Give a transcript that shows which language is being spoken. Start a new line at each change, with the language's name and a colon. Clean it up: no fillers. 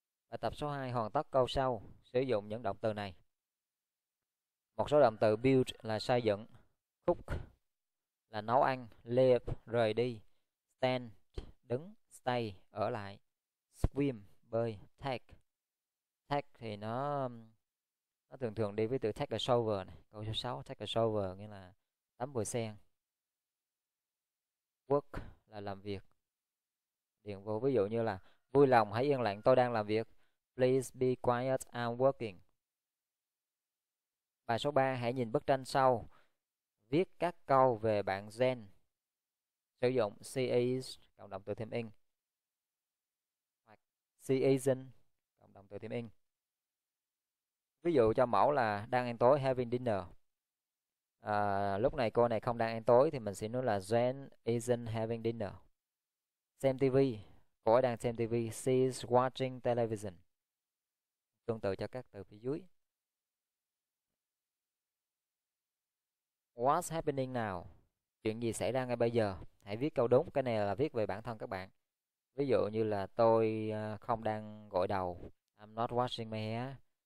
Vietnamese: Bài tập số 2 hoàn tất câu sau, sử dụng những động từ này. Một số động từ build là xây dựng, cook là nấu ăn, live rời đi, stand đứng, stay ở lại, swim bơi, take. Take thì nó thường thường đi với từ take a shower này. Câu số 6, take a shower nghĩa là tắm bồi sen. Work là làm việc. Điền vô ví dụ như là vui lòng hãy yên lặng tôi đang làm việc.
English: Please be quiet, I'm working.
Vietnamese: Bài số 3, hãy nhìn bức tranh sau. Viết các câu về bạn Jen. Sử dụng she is cộng động từ thêm in. Hoặc she isn't cộng động từ thêm in. Ví dụ cho mẫu là đang ăn tối, having dinner. À, lúc này cô này không đang ăn tối thì mình sẽ nói là
English: Jen isn't having dinner.
Vietnamese: Xem TV, cô ấy đang xem TV.
English: She is watching television.
Vietnamese: Tương tự cho các từ phía dưới.
English: What's happening now?
Vietnamese: Chuyện gì xảy ra ngay bây giờ? Hãy viết câu đúng. Cái này là viết về bản thân các bạn. Ví dụ như là tôi không đang gội đầu.
English: I'm not washing my hair.